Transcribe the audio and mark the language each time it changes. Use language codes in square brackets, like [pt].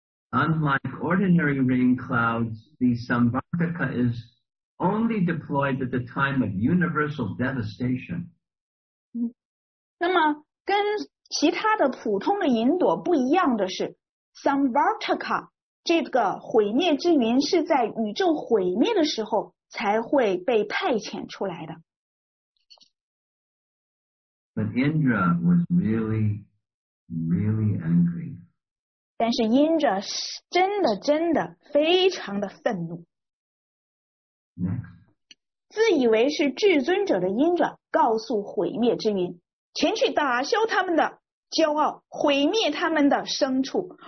[en] Unlike ordinary rain clouds, the Samvartaka is only deployed at the time of universal devastation. [zh] 那么跟其他的普通的云朵不一样的是， Samvartaka 这个毁灭之云是在宇宙毁灭的时候才会被派遣出来的。 [en] But Indra was really, really angry. [zh] 但是 Indra 真的真的非常的愤怒。 [en] Next. [zh] 自以为是至尊者的 Indra 告诉毁灭之云，前去打消他们的骄傲，毁灭他们的牲畜。